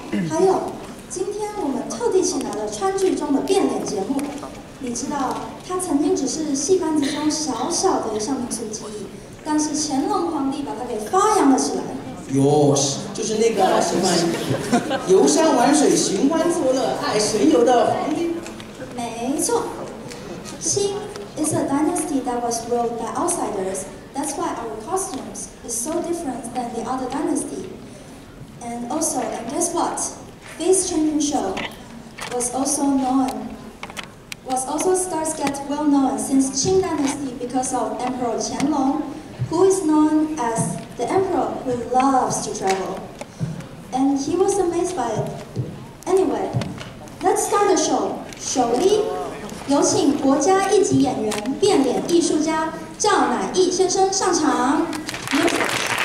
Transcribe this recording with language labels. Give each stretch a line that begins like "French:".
Chinese: 还有今天我们特地请来了川剧中的变脸节目，你知道他曾经只是戏班子中小小的一项民族技艺，但是乾隆皇帝把他给发扬了起来。哟，就是那个什么游山玩水寻欢作乐爱神游的皇帝。没错，清
English: is a dynasty that was ruled by outsiders. That's why our costumes is so different than the other dynasty. And also, and guess what? This changing show was also starts get well known since Qing Dynasty because of Emperor Qianlong, who is known as the emperor who loves to travel. And he was amazed by it. Anyway, let's start the show.
Chinese: 首例有请国家一级演员变脸艺术家赵乃毅先生上场。